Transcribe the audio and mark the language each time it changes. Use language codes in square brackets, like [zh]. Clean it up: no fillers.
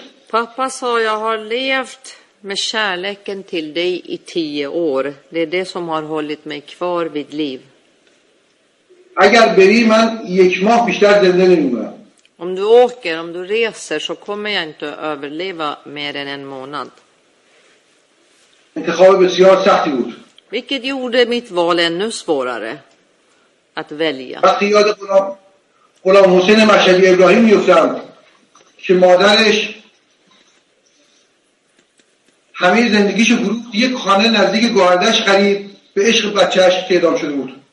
[sv] Pappa sa, jag har levt med kärleken till dig i 10 år. Det är det som har hållit mig kvar vid liv. [fa] اگر بری من یک ماه بیشتر زنده نمیمونم. [sv] Om du åker, om du reser så kommer jag inte att överleva mer än en månad. [fa] انتخاب بسیار سختی بود. [sv] Vilket gjorde mitt val ännu svårare att välja. [fa] وقتی یاد غلام حسین مشهدی ابراهیم میفتم که مادرش همه زندگیش فروخت یک خانه نزدیک گوهردشت خرید به عشق بچهش که اعدام شده بود.